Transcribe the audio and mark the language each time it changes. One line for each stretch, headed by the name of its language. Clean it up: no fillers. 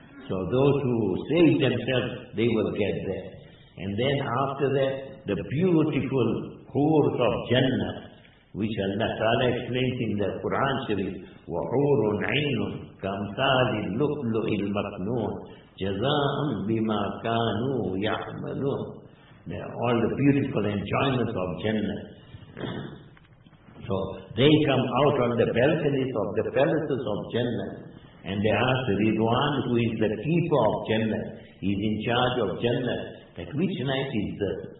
English: So those who save themselves, they will get there. And then after that, the beautiful hoors of Jannah, which Allah Ta'ala explains in the Quran Sharif,
Arabic: وَحُورٌ عِنٌ كَمْثَالِ اللُّؤْلُؤِ الْمَكْنُونِ جَزَاءً بِمَا كَانُوا يَعْمَلُونَ.
English: All the beautiful enjoyments of Jannah. So they come out on the balconies of the palaces of Jannah, and they ask Ridwan, who is the keeper of Jannah, he is in charge of Jannah, that which night is this?